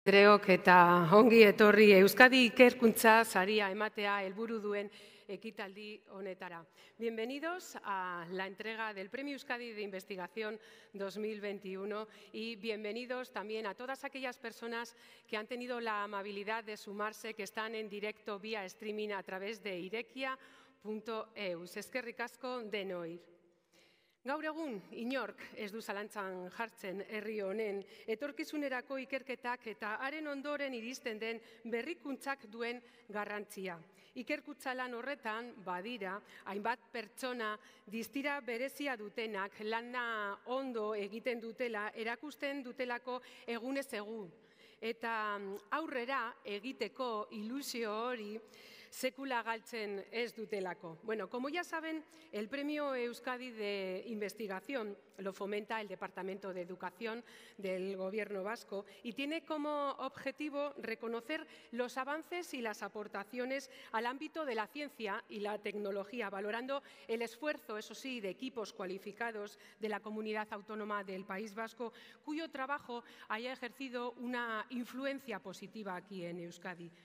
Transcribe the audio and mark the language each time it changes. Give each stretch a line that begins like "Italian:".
Spanish: Creo que
Basque: eta ongi etorri Euskadi Ikerkuntza Saria ematea helburu duen ekitaldi honetara.
Spanish: Bienvenidos a la entrega del Premio Euskadi de Investigación 2021 y bienvenidos también a todas aquellas personas que han tenido la amabilidad de sumarse, que están en directo vía streaming a través de irekia.eu.
Basque: Eskerrik asko denoi. Gaur egun, inork ez du zalantzan jartzen herri honen, etorkizunerako ikerketak eta haren ondoren iristen den berrikuntzak duen garrantzia. Ikerkuntza lan horretan, badira, hainbat pertsona distira berezia dutenak lana ondo egiten dutela, erakusten dutelako egunez egun. Eta aurrera egiteko ilusio hori sekula galtzen ez dutelako.
Spanish: Bueno, como ya saben, el Premio Euskadi de Investigación lo fomenta el Departamento de Educación del Gobierno Vasco y tiene como objetivo reconocer los avances y las aportaciones al ámbito de la ciencia y la tecnología, valorando el esfuerzo, eso sí, de equipos cualificados de la comunidad autónoma del País Vasco, cuyo trabajo haya ejercido una influencia positiva aquí en Euskadi.